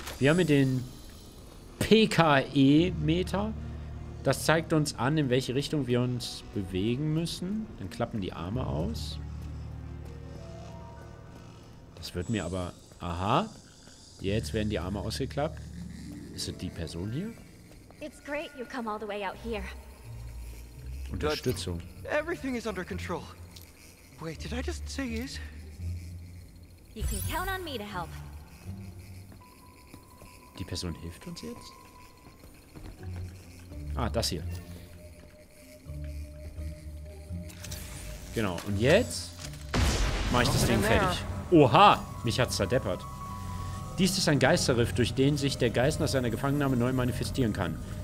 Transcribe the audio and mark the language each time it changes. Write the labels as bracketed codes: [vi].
[de] Wir haben hier den PKE-Meter. Das zeigt uns an, in welche Richtung wir uns bewegen müssen. Dann klappen die Arme aus. Das wird mir aber... Aha. Jetzt werden die Arme ausgeklappt. Ist es die Person hier? [en] It's great you come all the way out here. [de] Unterstützung. [en] Everything is under control. Wait, did I just say is? You can count on me to help. [de] Die Person hilft uns jetzt? Ah, das hier. Genau, und jetzt mache ich das Ding fertig. Oha, mich hat's zerdeppert. Dies ist ein Geisterriff, durch den sich der Geist nach seiner Gefangennahme neu manifestieren kann.